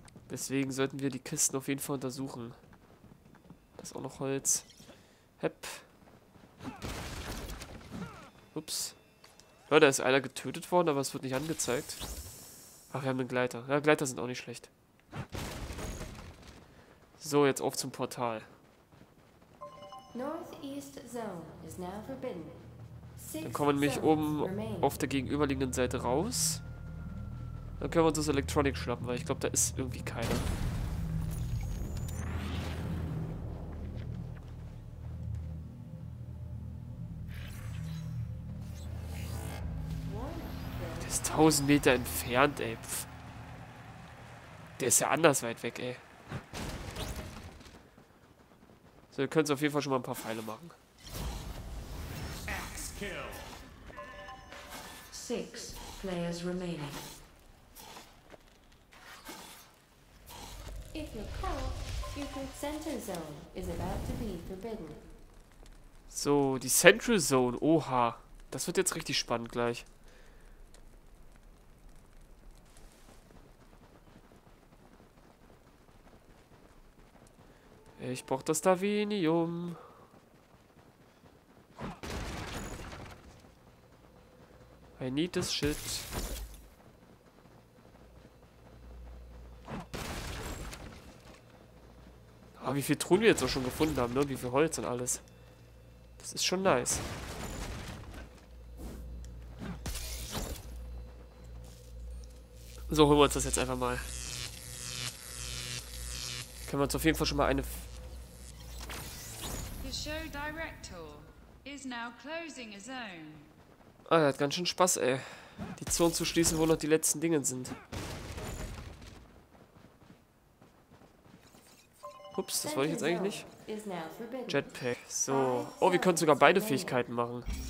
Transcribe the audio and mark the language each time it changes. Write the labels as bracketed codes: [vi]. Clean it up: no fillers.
[de] Deswegen sollten wir die Kisten auf jeden Fall untersuchen. Da ist auch noch Holz. Hep. Ups. Ja, da ist einer getötet worden, aber es wird nicht angezeigt. Ach, wir haben einen Gleiter. Ja, Gleiter sind auch nicht schlecht. So, jetzt auf zum Portal. [en] Northeast Zone is now forbidden. [de] Dann kommen wir nämlich oben auf der gegenüberliegenden Seite raus. Dann können wir uns das Electronic schnappen, weil ich glaube, da ist irgendwie keiner. Der ist 1000 Meter entfernt, ey. Pff. Der ist ja anders weit weg, ey. So, wir können es auf jeden Fall schon mal ein paar Pfeile machen. [en] Axe kill. Six players remaining. If you're caught, your center zone is about to be forbidden. [de] So, die Central Zone, oha. Das wird jetzt richtig spannend gleich. Ich brauch das Darwinium. [en] I need this shit. [de] Ah, wie viel Truhen wir jetzt auch schon gefunden haben, ne? Wie viel Holz und alles. Das ist schon nice. So, holen wir uns das jetzt einfach mal. Können wir uns auf jeden Fall schon mal eine... [en] The show director is now closing a zone. [de] Ah, der hat ganz schön Spaß, ey. Die Zone zu schließen, wo noch die letzten Dinge sind. Ups, das wollte ich jetzt eigentlich nicht. Jetpack. So. Oh, wir können sogar beide Fähigkeiten machen.